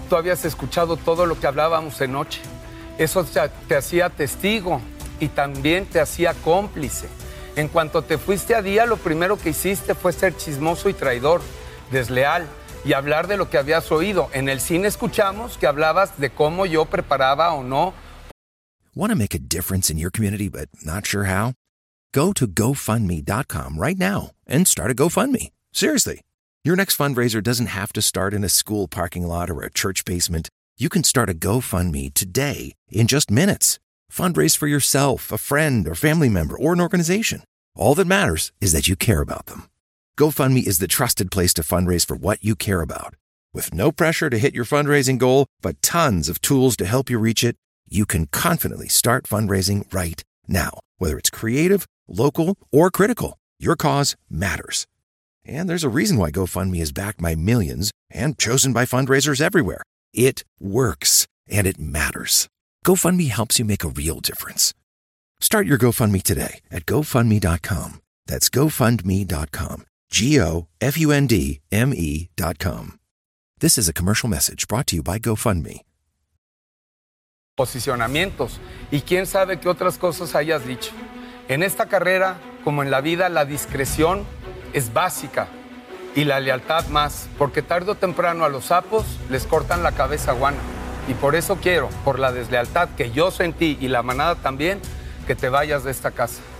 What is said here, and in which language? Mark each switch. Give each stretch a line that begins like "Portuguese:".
Spanish: Tú habías escuchado todo lo que hablábamos de noche. Eso te hacía testigo y también te hacía cómplice. En cuanto te fuiste a día, lo primero que hiciste fue ser chismoso y traidor, desleal, y hablar de lo que habías oído. En el cine escuchamos que hablabas de cómo yo preparaba o no.
English: Want to make a difference in your community but not sure how? Go to GoFundMe.com right now and start a GoFundMe. Seriously, your next fundraiser doesn't have to start in a school parking lot or a church basement. You can start a GoFundMe today in just minutes. Fundraise for yourself, a friend, or family member, or an organization. All that matters is that you care about them. GoFundMe is the trusted place to fundraise for what you care about. With no pressure to hit your fundraising goal, but tons of tools to help you reach it, you can confidently start fundraising right now. Whether it's creative, local, or critical, your cause matters. And there's a reason why GoFundMe is backed by millions and chosen by fundraisers everywhere. It works, and it matters. GoFundMe helps you make a real difference. Start your GoFundMe today at GoFundMe.com. That's GoFundMe.com. GoFundMe.com. This is a commercial message brought to you by GoFundMe.
Spanish: Posicionamientos. Y quién sabe qué otras cosas hayas dicho. En esta carrera, como en la vida, la discreción es básica. Y la lealtad más. Porque tarde o temprano a los sapos les cortan la cabeza a Guana. Y por eso quiero, por la deslealtad que yo sentí y la manada también, que te vayas de esta casa.